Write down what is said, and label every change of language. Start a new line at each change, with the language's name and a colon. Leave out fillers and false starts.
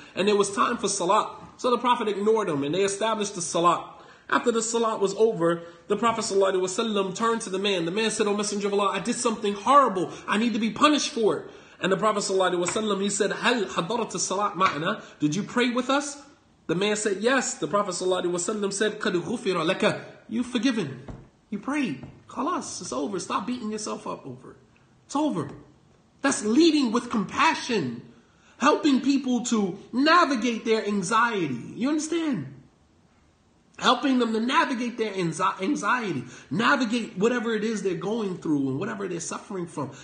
English: And it was time for salat. So the Prophet ignored him and they established the salat. After the salat was over, the Prophet ﷺ turned to the man. The man said, O Messenger of Allah, I did something horrible. I need to be punished for it. And the Prophet ﷺ, he said,
Arabic: هَلْ حَضَرَتِ الصَّلَاةِ مَعَنَا.
English: Did you pray with us? The man said, yes. The Prophet ﷺ said,
Arabic: قَدْ غُفِرَ لَكَ.
English: You've forgiven. You prayed. خلاص, it's over. Stop beating yourself up over it. It's over. That's leading with compassion. Helping people to navigate their anxiety. You understand? Helping them to navigate their anxiety. Navigate whatever it is they're going through and whatever they're suffering from.